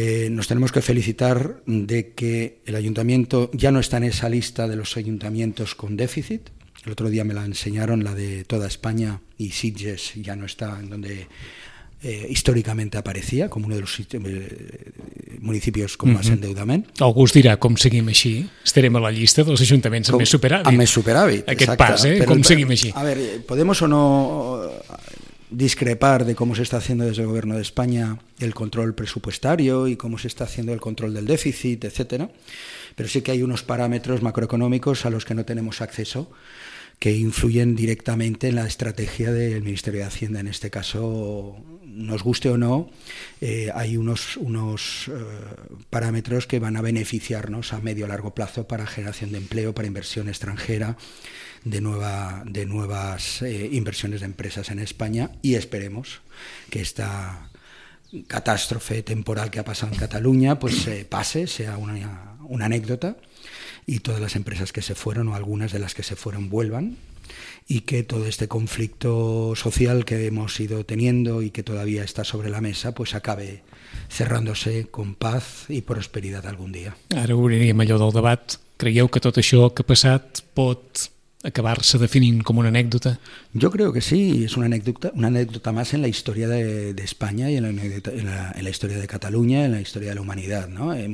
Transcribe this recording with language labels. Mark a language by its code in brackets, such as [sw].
[es] Nos tenemos que felicitar de que el ayuntamiento ya no está en esa lista de los ayuntamientos con déficit. El otro día me la enseñaron, la de toda España, y Sitges ya no está en donde históricamente aparecía, como uno de los municipios con más endeudament. [ca] Algú us dirà, com seguim així, estarem a la llista dels ajuntaments amb més superàvit. Amb més superàvit, aquest exacte. Aquest pas, però, com seguim així. [es] A ver, ¿podemos o no discrepar de cómo se está haciendo desde el gobierno de España el control presupuestario y cómo se está haciendo el control del déficit, etcétera? Pero sí que hay unos parámetros macroeconómicos a los que no tenemos acceso, que influyen directamente en la estrategia del Ministerio de Hacienda. En este caso, nos guste o no, hay unos parámetros que van a beneficiarnos a medio o largo plazo para generación de empleo, para inversión extranjera, de nuevas inversiones de empresas en España, y esperemos que esta catástrofe temporal que ha pasado en Cataluña pues pase, sea una anécdota, y todas las empresas que se fueron o algunas de las que se fueron vuelvan, y que todo este conflicto social que hemos ido teniendo y que todavía está sobre la mesa pues acabe cerrándose con paz y prosperidad algún día. [ca] Ara obriríem allò del debat. Creieu que tot això que ha passat pot acabar-se definint com una anècdota? Jo crec que sí, és una anècdota més en la història d'Espanya i en la història de Catalunya, en la història de la humanitat, ¿no?